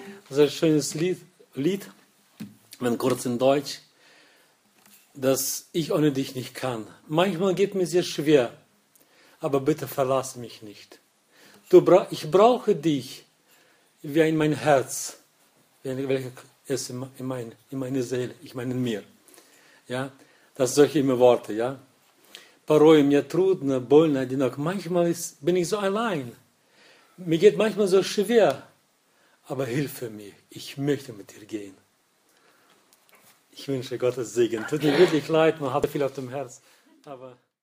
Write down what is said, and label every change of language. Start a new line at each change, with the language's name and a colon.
German: Sehr schönes Lied, wenn kurz in Deutsch, dass ich ohne dich nicht kann. Manchmal geht mir sehr schwer. Aber bitte verlass mich nicht. Ich brauche dich wie in mein Herz, welches in meine Seele, ich meine in mir. Ja? Das sind solche immer Worte. Ja?
Russian: Порой мне трудно, больно, одинок.
German: Manchmal bin ich so allein. Mir geht manchmal so schwer. Aber hilf mir, ich möchte mit dir gehen. Ich wünsche Gottes Segen. Tut mir wirklich leid, man hat viel auf dem Herz. Aber